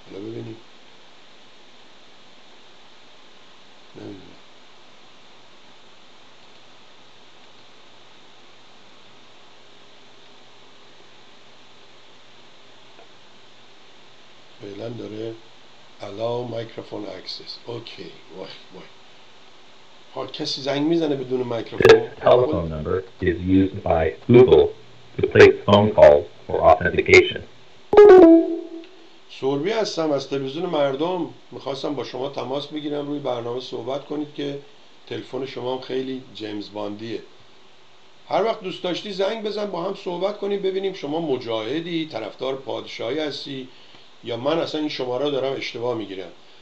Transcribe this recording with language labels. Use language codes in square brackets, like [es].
[fa] حالا ببینیم، فعلا داره [en] allow microphone access. [fa] اوکی وای وای، ها کسی زنگ میزنه بدون مایکروفون؟ [en] This telephone number is used by Google to place phone calls for authentication. سو [fa] سوربی هستم از تلویزیون مردم، میخواستم با شما تماس بگیرم روی برنامه صحبت کنید که تلفن شما خیلی جیمز باندیه. هر وقت دوست داشتی زنگ بزن با هم صحبت کنیم ببینیم شما مجاهدی، طرفدار پادشاهی هستی یا من اصلا این شماره دارم اشتباه میگیرم.